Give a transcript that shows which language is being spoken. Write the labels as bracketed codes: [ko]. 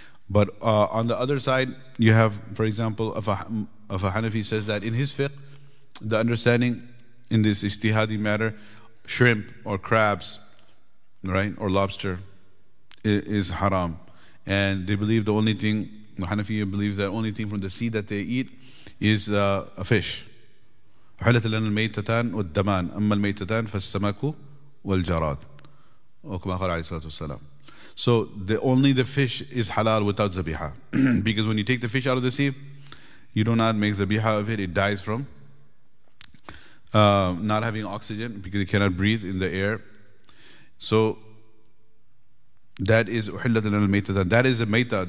[en] But on the other side, you have, for example, of a Hanafi says that in his fiqh, the understanding in this istihadi matter, shrimp or crabs, right, or lobster is haram. And they believe the only thing, the Hanafi believes that only thing from the sea that they eat is a fish. [ar] حلت لنا الميتتان والدمان أما الميتتان فالسمك والجراد وكما قال عليه الصلاة والسلام. [en] So the only the fish is halal without zabiha. Because when you take the fish out of the sea, you do not make zabiha of it. It dies from not having oxygen because it cannot breathe in the air. So that is [ar] حلت لنا الميتتان. [en] That is a meita.